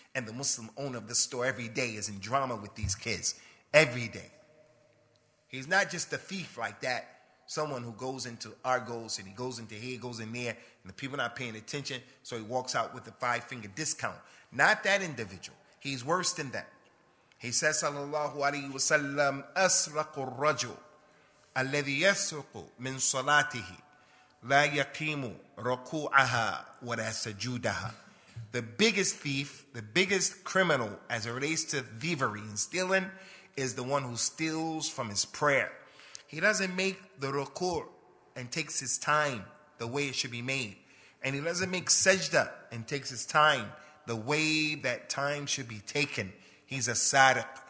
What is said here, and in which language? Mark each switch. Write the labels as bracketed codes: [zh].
[en] And the Muslim owner of the store every day is in drama with these kids. Every day. He's not just a thief like that. Someone who goes into Argos and he goes into here, goes in there, and the people not paying attention, so he walks out with a five-finger discount. Not that individual. He's worse than that. He says, [ar] sallallahu alayhi wa sallam, أسرق الرجل الذي يسرق من صلاته لا يقيم ركوعها ولا سجودها. [en] The biggest thief, the biggest criminal as it relates to thievery and stealing, is the one who steals from his prayer. He doesn't make the ruku' and takes his time the way it should be made. And he doesn't make sajda and takes his time the way that time should be taken. He's a sadiq.